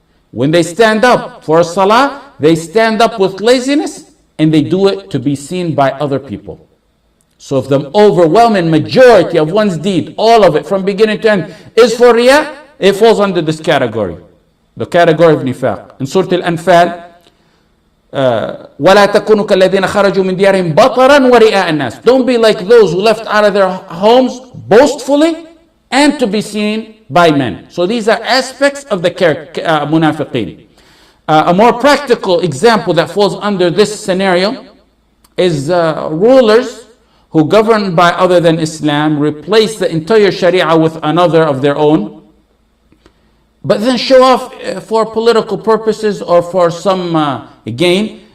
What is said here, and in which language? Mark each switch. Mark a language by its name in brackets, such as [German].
[English] When they stand up for a salah, they stand up with laziness, and they do it to be seen by other people. So if the overwhelming majority of one's deed, all of it from beginning to end, is for riya, it falls under this category. The category of nifaq. In Surah Al-Anfal, [Arabic] وَلَا تَكُنُوا كَالَّذِينَ خَرَجُوا مِنْ دِيَارِهِمْ بَطَرًا وَرِئَاءَ النَّاسِ. [English] Don't be like those who left out of their homes boastfully and to be seen by men. So these are aspects of the munafiqeen. A more practical example that falls under this scenario is rulers who govern by other than Islam, replace the entire Sharia with another of their own, but then show off for political purposes or for some gain.